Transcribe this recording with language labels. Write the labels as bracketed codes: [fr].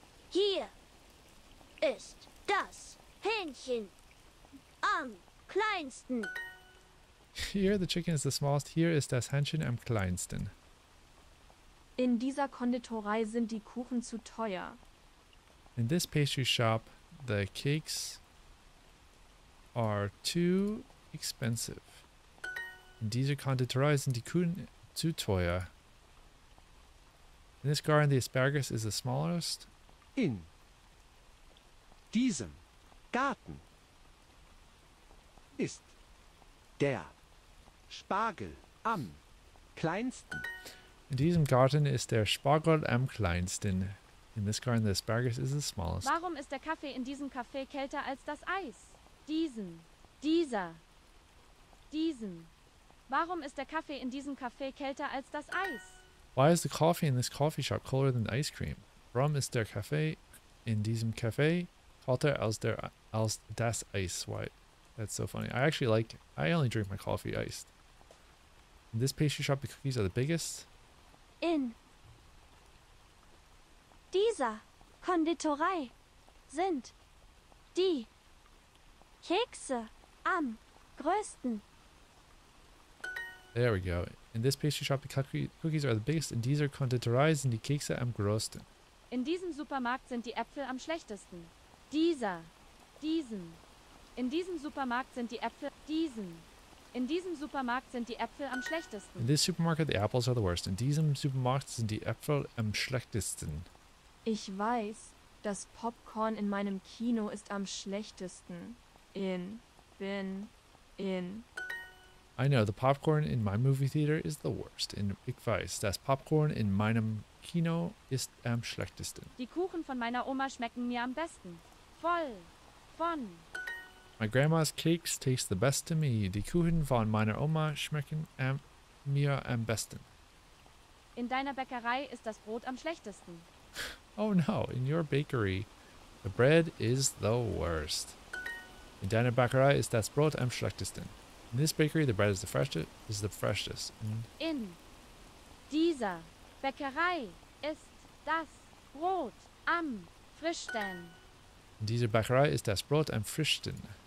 [de] Hier ist das Hähnchen am kleinsten. [en] Here the chicken is the smallest. Here is [de] das Hähnchen am kleinsten. In dieser Konditorei sind die Kuchen zu teuer. [en] In this pastry shop, the cakes are too expensive. [de] In dieser Konditorei sind die Kuchen zu teuer. [en] In this garden, the asparagus is the smallest. [de] In diesem Garten ist der Spargel am kleinsten. In diesem Garten ist der Spargel am kleinsten. [en] In this garden, the asparagus is the smallest. [de] Warum ist der Kaffee in diesem Café kälter als das Eis? Diesen. Dieser. Diesen. Warum ist der Kaffee in diesem Café kälter als das Eis? [en] Why is the coffee in this coffee shop colder than ice cream? [de] Warum ist der Kaffee in diesem Café kälter als das Eis? [en] Why? That's so funny. I only drink my coffee iced. In this pastry shop, the cookies are the biggest. [de] In dieser Konditorei sind die Kekse am größten. [en] There we go. In this pastry shop, the cookies are the biggest. [de] In dieser Konditorei sind die Kekse am größten. In diesem Supermarkt sind die Äpfel am schlechtesten. Dieser. Diesen. In diesem Supermarkt sind die Äpfel. Diesen. In diesem Supermarkt sind die Äpfel am schlechtesten. [en] In this supermarket, the apples are the worst. [de] In diesem Supermarkt sind die Äpfel am schlechtesten. Ich weiß, das Popcorn in meinem Kino ist am schlechtesten. In. Bin. In. [en] I know, the popcorn in my movie theater is the worst. [de] In. Ich weiß, das Popcorn in meinem Kino ist am schlechtesten. Die Kuchen von meiner Oma schmecken mir am besten. Voll. Von. [en] My grandma's cakes taste the best to me. [de] Die Kuchen von meiner Oma schmecken mir am besten. In deiner Bäckerei ist das Brot am schlechtesten. [en] Oh no, in your bakery, the bread is the worst. [de] In deiner Bäckerei ist das Brot am schlechtesten. [en] In this bakery, the bread is the freshest. [de] In dieser Bäckerei ist das Brot am frischsten. In dieser Bäckerei ist das Brot am frischsten.